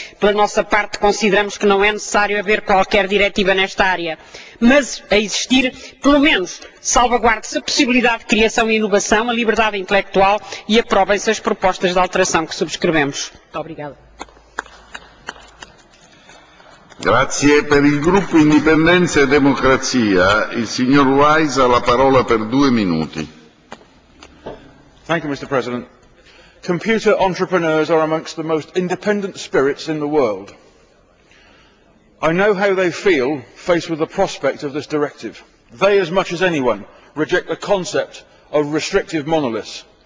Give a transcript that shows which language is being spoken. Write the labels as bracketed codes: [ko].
[pt] Pela nossa parte, consideramos que não é necessário haver qualquer diretiva nesta área, mas a existir, pelo menos, salvaguarde-se a possibilidade de criação e inovação, a liberdade intelectual e aprovem-se as propostas de alteração que subscrevemos. Muito obrigada. [it] Grazie. Per il gruppo Indipendenza e Democrazia, il signor Wise ha la parola per due minuti. [en] Thank you, Mr. President. Computer entrepreneurs are amongst the most independent spirits in the world. I know how they feel faced with the prospect of this directive. They, as much as anyone, reject the concept of restrictive monoliths.